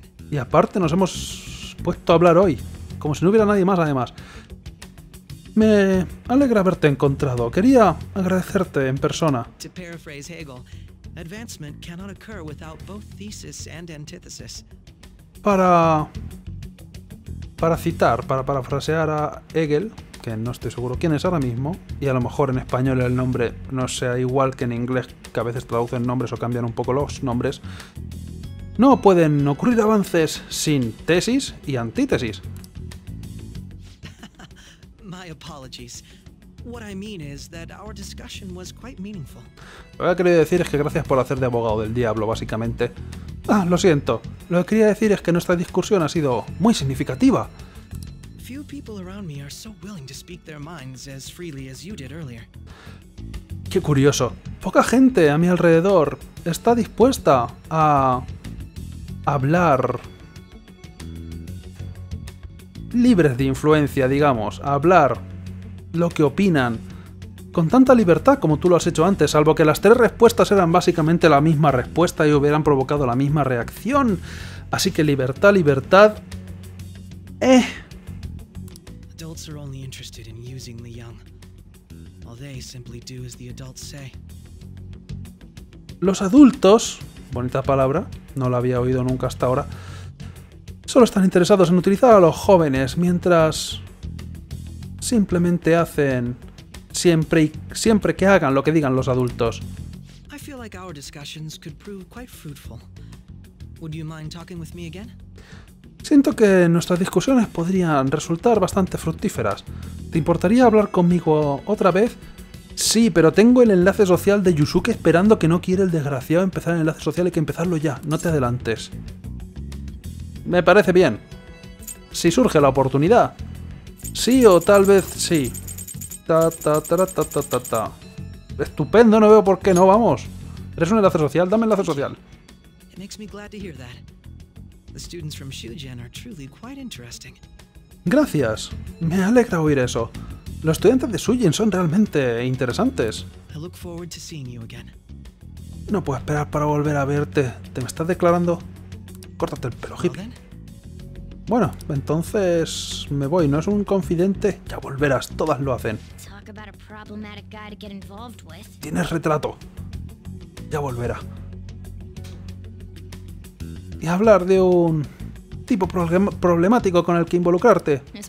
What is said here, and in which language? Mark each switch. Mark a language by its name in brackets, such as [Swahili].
[Spanish] Y aparte nos hemos puesto a hablar hoy. Como si no hubiera nadie más, además. Me alegra haberte encontrado. Quería agradecerte en persona. [English] To paraphrase Hegel, advancement cannot occur without both thesis and antithesis. [Spanish] Para parafrasear a Hegel, que no estoy seguro quién es ahora mismo, y a lo mejor en español el nombre no sea igual que en inglés, que a veces traducen nombres o cambian un poco los nombres. No pueden ocurrir avances sin tesis y antítesis. [English] My apologies. What I mean is that our discussion was quite meaningful. [Spanish] Lo que quería decir es que gracias por hacer de abogado del diablo, básicamente. Ah, lo siento. Lo que quería decir es que nuestra discusión ha sido muy significativa. [English] Few people around me are so willing to speak their minds as freely as you did earlier. [Spanish] Qué curioso. Poca gente a mi alrededor está dispuesta a hablar libres de influencia, digamos, a hablar lo que opinan con tanta libertad como tú lo has hecho antes, salvo que las tres respuestas eran básicamente la misma respuesta y hubieran provocado la misma reacción. Así que libertad, libertad... [English] Adults are only interested in using the young. All they simply do as the adults say. [Spanish] Los adultos, bonita palabra, no la había oído nunca hasta ahora, solo están interesados en utilizar a los jóvenes mientras simplemente hacen siempre que hagan lo que digan los adultos. [English] I feel like our discussions could prove quite fruitful. Would you mind talking with me again? [Spanish] Siento que nuestras discusiones podrían resultar bastante fructíferas. ¿Te importaría hablar conmigo otra vez? Sí, pero tengo el enlace social de Yusuke esperando, que no quiere el desgraciado empezar el enlace social. Hay que empezarlo ya, no te adelantes. Me parece bien. Si surge la oportunidad. Sí, o tal vez sí. Ta ta ta ta ta ta ta. Estupendo, no veo por qué no, vamos. ¿Eres un enlace social? Dame enlace social. [English] It makes me glad to hear that. The students from Shugen are truly quite interesting. [Spanish] Gracias. Me alegra oír eso. Los estudiantes de Shugen son realmente interesantes. [English] I look forward to seeing you again. [Spanish] No puedo esperar para volver a verte. ¿Te me estás declarando? Córtate el pelo, hippie. Bueno, entonces me voy. ¿No es un confidente? Ya volverás. Todas lo hacen. [English] Talk about a problematic guy to get involved with. [Spanish] Tienes retrato. Ya volverá. Y hablar de un tipo problemático con el que involucrarte.